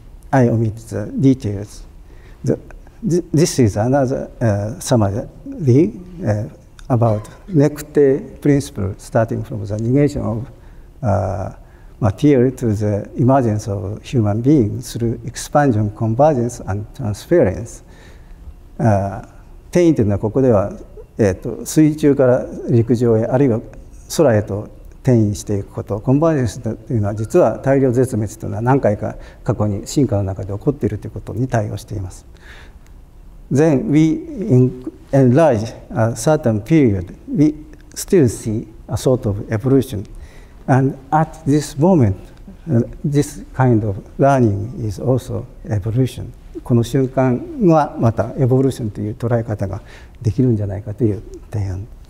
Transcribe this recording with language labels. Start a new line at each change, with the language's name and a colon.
English: I omit the details. This is another summary about necte principle starting from the negation of material to the emergence of human being through expansion, convergence, and transference.
Japanese: 転移というのはここでは、水中から陸上へあるいは空へと転移していくこと。コンバージェンスというのは実は大量絶滅というのは何回か過去に進化の中で起こっているということに対応しています。
English: Then we enlarge a certain period, we still see a sort of evolution. And at this moment, this kind of learning is also evolution.
Japanese: この瞬間はまたエボリューションという捉え方ができるんじゃないかという提案。